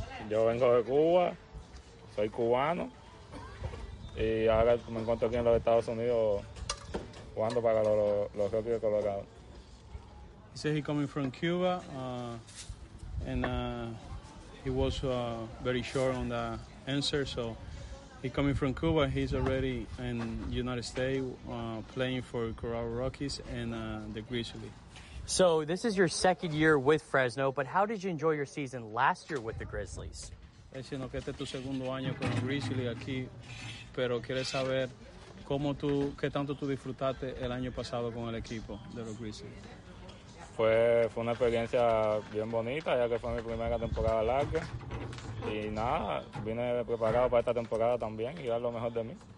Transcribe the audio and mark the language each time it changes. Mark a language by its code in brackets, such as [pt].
[es] Yo vengo de Cuba, soy cubano y ahora me encuentro aquí en los Estados Unidos jugando para los Rockies de Colorado. [en] He said he coming from Cuba and he was very short on the answer, so he coming from Cuba, he's already in United States playing for Colorado Rockies and the Grizzlies. So this is your second year with Fresno, but how did you enjoy your season last year with the Grizzlies? [es] Diciendo que este es tu segundo año con los Grizzlies aquí, pero quieres saber cómo tú, qué tanto tú disfrutaste el año pasado con el equipo de los Grizzlies. Fue una experiencia bien bonita, ya que fue mi primera temporada larga. Y nada, vine preparado para esta temporada también y dar lo mejor de mí.